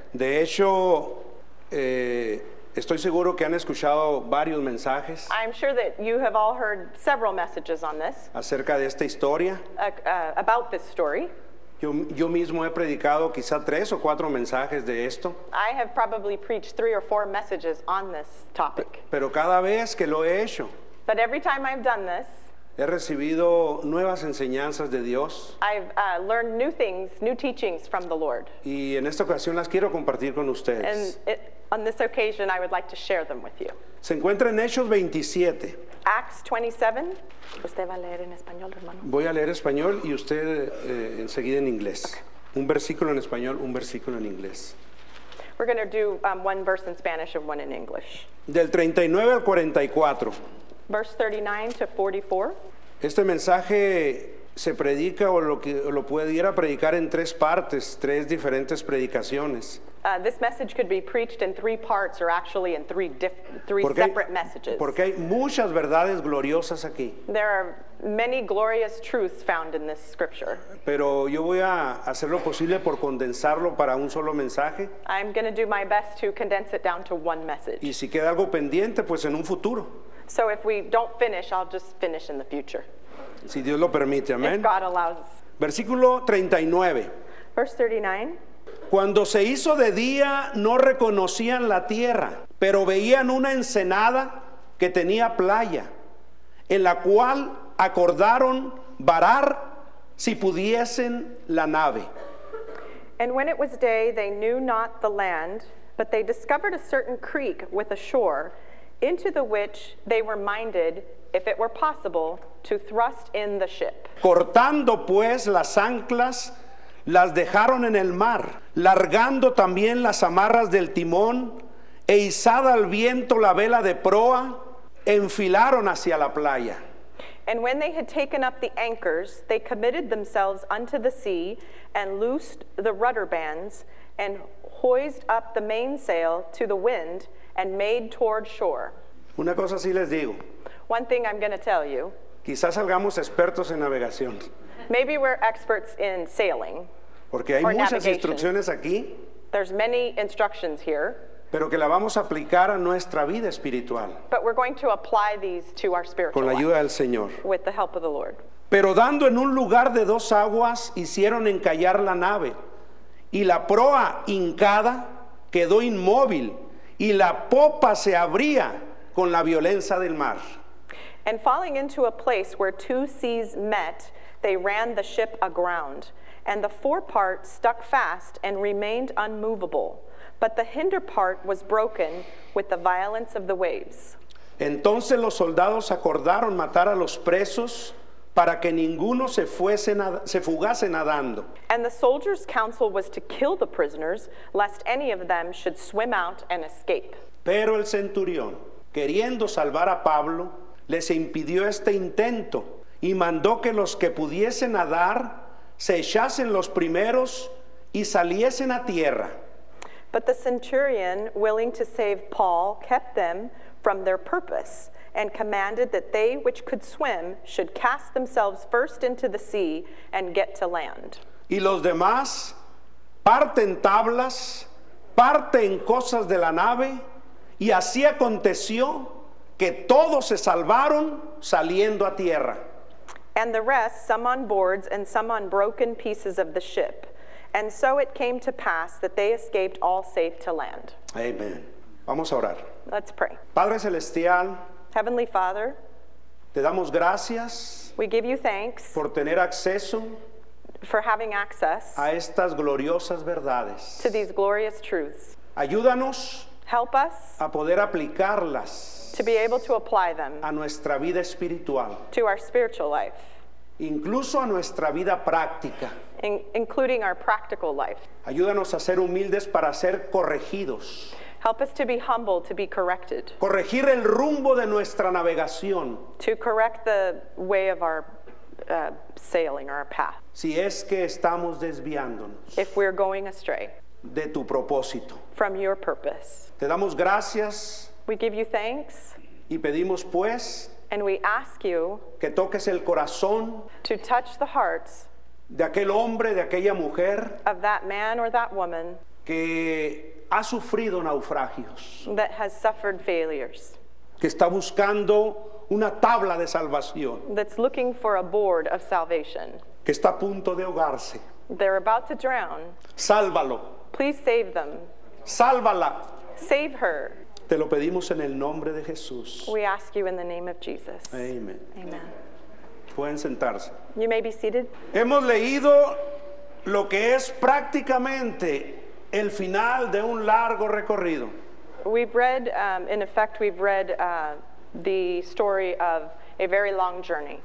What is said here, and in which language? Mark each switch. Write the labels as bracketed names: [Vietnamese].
[Spanish] De hecho, estoy seguro que han escuchado varios mensajes. [English] I'm sure that you have all heard several messages on this. [Spanish] Acerca de esta historia. [English] About this story. [Spanish] Yo mismo he predicado quizá tres o cuatro mensajes de esto. [English] I have probably preached three or four messages on this topic. [Spanish] Pero cada vez que lo he hecho. [English] But every time I've done this. [Spanish] He recibido nuevas enseñanzas de Dios. [English] I've learned new things, new teachings from the Lord. [Spanish] Y en esta ocasión las quiero compartir con ustedes. [English] And on this occasion, I would like to share them with you. [Spanish] Se encuentra en Hechos 27. [English] Acts 27. [Spanish] Usted va a leer en español, hermano. Voy a leer español y usted enseguida en inglés. Okay. Un versículo en español, un versículo en inglés. [English] We're going to do one verse in Spanish and one in English. [Spanish] Del 39 al 44. [English] Verse 39 to 44. [Spanish] Este mensaje se predica o lo pudiera predicar en tres partes, tres diferentes predicaciones. [English] This message could be preached in three parts or actually in three separate messages. [Spanish] Porque hay muchas verdades gloriosas aquí. [English] There are many glorious truths found in this scripture. [Spanish] Pero yo voy a hacer lo posible por condensarlo para un solo mensaje. [English] I'm going to do my best to condense it down to one message. [Spanish] Y si queda algo pendiente, pues en un futuro. [English] So if we don't finish, I'll just finish in the future. [Spanish] Si Dios lo permite, amén. [English] If God allows. [Spanish] Versículo 39. [English] Verse 39. [Spanish] Cuando se hizo de día, no reconocían la tierra, pero veían una ensenada que tenía playa, en la cual acordaron varar si pudiesen la nave. [English] And when it was day, they knew not the land, but they discovered a certain creek with a shore, into the which they were minded, if it were possible, to thrust in the ship. [Spanish] Cortando pues las anclas, las dejaron en el mar, largando también las amarras del timón, e izada al viento la vela de proa, enfilaron hacia la playa. [English] And when they had taken up the anchors, they committed themselves unto the sea, and loosed the rudder bands, and hoised up the mainsail to the wind, and made toward shore. [Spanish] Una cosa sí les digo. [English] One thing I'm going to tell you. [Spanish] Quizás salgamos expertos en navegación. [English] Maybe we're experts in sailing. [Spanish] Porque hay muchas [English] navigation. [Spanish] Instrucciones aquí. [English] There's many instructions here. [Spanish] Pero que la vamos a aplicar a nuestra vida espiritual. [English] But we're going to apply these to our spiritual [Spanish] con la ayuda del Señor. [English] With the help of the Lord. [Spanish] Pero dando en un lugar de dos aguas, hicieron encallar la nave. Y la proa hincada quedó inmóvil. Y la popa se abría con la violencia del mar. [English] And falling into a place where two seas met, they ran the ship aground. And the forepart stuck fast and remained unmovable. But the hinder part was broken with the violence of the waves. [Spanish] Entonces los soldados acordaron matar a los presos para que ninguno se fugase nadando. [English] And the soldiers' counsel was to kill the prisoners, lest any of them should swim out and escape. [Spanish] Pero el centurión, queriendo salvar a Pablo, les impidió este intento, y mandó que los que pudiesen nadar se echasen los primeros y saliesen a tierra. [English] But the centurion, willing to save Paul, kept them from their purpose, and commanded that they which could swim should cast themselves first into the sea and get to land. [Spanish] Y los demás, parte en tablas, parte en cosas de la nave, y así aconteció que todos se salvaron saliendo a tierra. [English] And the rest, some on boards and some on broken pieces of the ship. And so it came to pass that they escaped all safe to land. [Spanish] Amen. Vamos a orar. [English] Let's pray. [Spanish] Padre Celestial, [English] Heavenly Father, [Spanish] te damos gracias. [English] We give you thanks [Spanish] por tener acceso, [English] for having access [Spanish] a estas gloriosas verdades, [English] to these glorious truths. [Spanish] Ayúdanos, [English] help us [Spanish] a poder aplicarlas, [English] to be able to apply them [Spanish] a nuestra vida espiritual, [English] to our spiritual life, [Spanish] incluso a nuestra vida práctica, [English] including our practical life. [Spanish] Ayúdanos a ser humildes para ser corregidos. [English] Help us to be humble, to be corrected. [Spanish] Corregir el rumbo de nuestra navegación. [English] To correct the way of our sailing, our path. [Spanish] Si es que estamos desviándonos. [English] If we're going astray. [Spanish] De tu propósito. [English] From your purpose. [Spanish] Te damos gracias. [English] We give you thanks. [Spanish] Y pedimos pues. [English] And we ask you. [Spanish] Que toques el corazón. [English] To touch the hearts. [Spanish] De aquel hombre, de aquella mujer. [English] Of that man or that woman. [Spanish] que ha sufrido naufragios, [English] that has suffered failures, [Spanish] que está buscando una tabla de salvación, [English] that's looking for a board of salvation, [Spanish] que está a punto de ahogarse, [English] they're about to drown. [Spanish] Sálvalo. [English] Please save them. [Spanish] Sálvala. [English] Save her. [Spanish] Te lo pedimos en el nombre de Jesús. [English] We ask you in the name of Jesus. [Spanish] Amen. [English] Amen. [Spanish] Pueden sentarse. [English] You may be seated. [Spanish] Hemos leído lo que es prácticamente el final de un largo recorrido. [English] We've read, in effect, we've read the story of a very long journey.